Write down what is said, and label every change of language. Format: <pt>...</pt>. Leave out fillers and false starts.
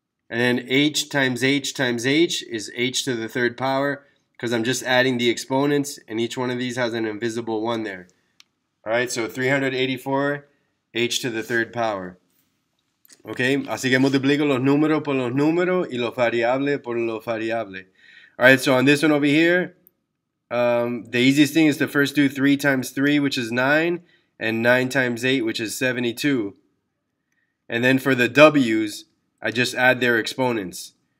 <en>And then h times h times h is h to the third power, because I'm just adding the exponents, and each one of these has an invisible one there. All right, so 384 h to the third power.</en> <es>Okay, así que multiplico los números por los números y los variables por los variables.</es> <en>All right, so on this one over here, the easiest thing is to first do 3 times 3, which is 9, and 9 times 8, which is 72. And then for the W's, I just add their exponents.</en>